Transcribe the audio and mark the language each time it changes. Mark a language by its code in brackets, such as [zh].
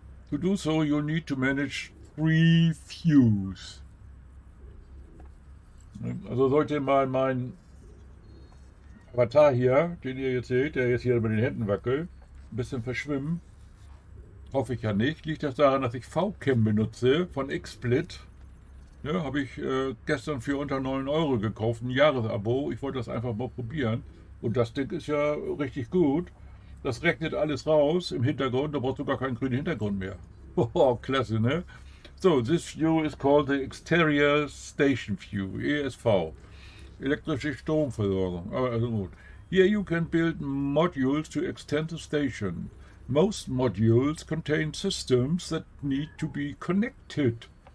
[en] To do so, you need to manage three fuse. [de] Also sollte mal mein Avatar hier, den ihr jetzt seht, der jetzt hier mit den Händen wackelt, ein bisschen verschwimmen. Hoffe ich ja nicht. Liegt das daran, dass ich VCam benutze von XSplit? Ne, habe ich gestern für unter 9 Euro gekauft, ein Jahresabo. Ich wollte das einfach mal probieren. Und das Ding ist ja richtig gut. Das rechnet alles raus im Hintergrund. Da brauchst du gar keinen grünen Hintergrund mehr. Oh, klasse, ne? [en] So, this view is called the Exterior Station View, ESV. [de] Elektrische Stromversorgung. Also gut. [en] Here you can build modules to extend the station. Most modules contain systems that need to be connected.